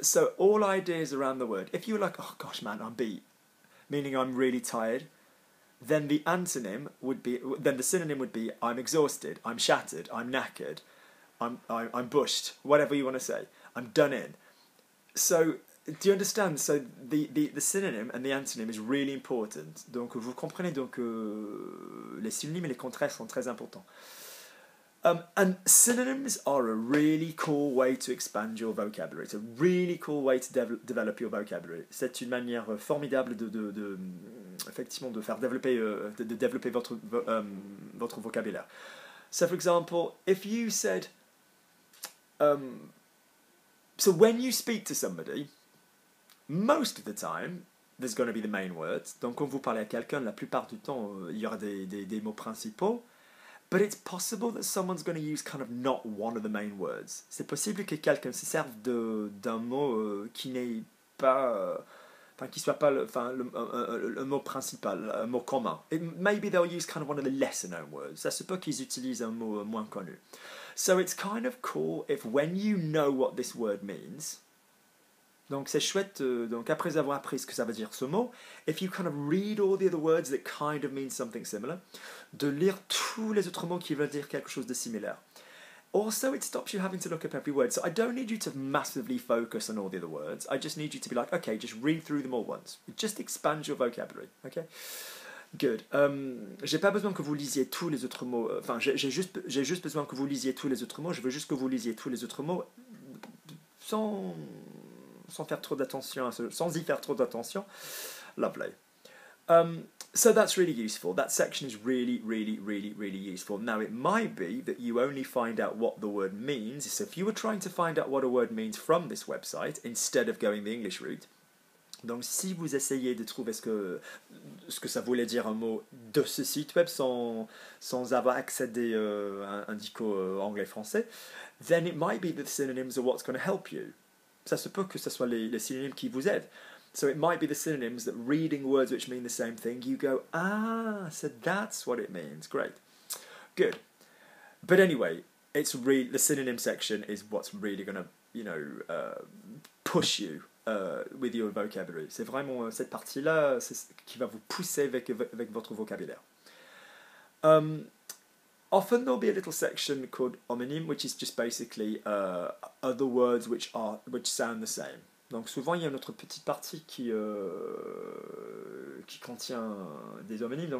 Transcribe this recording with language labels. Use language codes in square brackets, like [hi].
[en] So all ideas around the word. If you were like, oh gosh, man, I'm beat, meaning I'm really tired, then the synonym would be I'm exhausted, I'm shattered, I'm knackered. I'm bushed, whatever you want to say. I'm done in. So, do you understand? So, the synonym and the antonym is really important. [fr] Donc, vous comprenez, donc, les synonymes et les contraires sont très importants. [en] And synonyms are a really cool way to expand your vocabulary. It's a really cool way to develop your vocabulary. [fr] C'est une manière formidable de effectivement, de faire développer, de développer votre, votre vocabulaire. [en] So, for example, if you said... So when you speak to somebody, most of the time, there's going to be the main words. [fr] Donc quand vous parlez à quelqu'un, la plupart du temps, il y aura des mots principaux. [en] But it's possible that someone's going to use kind of not one of the main words. [fr] C'est possible que quelqu'un se serve d'un mot qui n'est pas enfin qui soit pas le enfin le mot principal, un mot commun. [en] It, maybe they'll use kind of one of the lesser known words. [fr] Ça se peut qu'ils utilisent un mot moins connu. [en] So it's kind of cool if when you know what this word means. [fr] Donc c'est chouette donc après avoir appris ce que ça veut dire ce mot, [en] if you kind of read all the other words that kind of mean something similar, [fr] de lire tous les autres mots qui veulent dire quelque chose de similaire. [en] Also, it stops you having to look up every word. So I don't need you to massively focus on all the other words. I just need you to be like, okay, just read through them all once. Just expand your vocabulary, okay? Good. [fr] J'ai pas besoin que vous lisiez tous les autres mots. Enfin, j'ai juste besoin que vous lisiez tous les autres mots. Je veux juste que vous lisiez tous les autres mots sans faire trop d'attention, sans y faire trop d'attention. [en] Lovely. So that's really useful. That section is really, really, really, really useful. Now, it might be that you only find out what the word means. So if you were trying to find out what a word means from this website, instead of going the English route, [fr] donc si vous essayez de trouver ce que ça voulait dire un mot de ce site web sans avoir accédé un dico anglais-français, [en] then it might be that the synonyms are what's going to help you. [fr] Ça se peut que ce soit les synonymes qui vous aident. [en] So it might be the synonyms that reading words which mean the same thing, you go, ah, so that's what it means. Great. Good. But anyway, it's the synonym section is what's really going to, you know, push you with your vocabulary. [fr] C'est vraiment cette partie-là qui va vous pousser avec votre vocabulaire. [en] Often there'll be a little section called homonyme, which is just basically other words which sound the same. [fr] Donc souvent, il y a une autre petite partie qui contient des homonymes.